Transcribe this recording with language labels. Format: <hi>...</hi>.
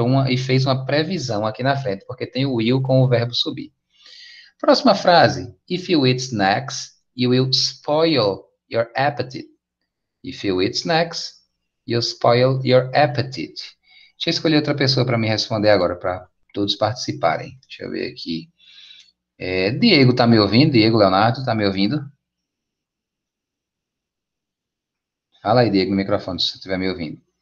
<pt>E fez uma previsão aqui na frente, porque tem o will com o verbo subir. Próxima frase.</pt> <en>If you eat snacks, you will spoil your appetite. If you eat snacks, you'll spoil your appetite.</en> <pt>Deixa eu escolher outra pessoa para me responder agora, para todos participarem. Deixa eu ver aqui. É, Diego está me ouvindo? Diego Leonardo está me ouvindo? Fala aí, Diego, no microfone, se você estiver me ouvindo.</pt>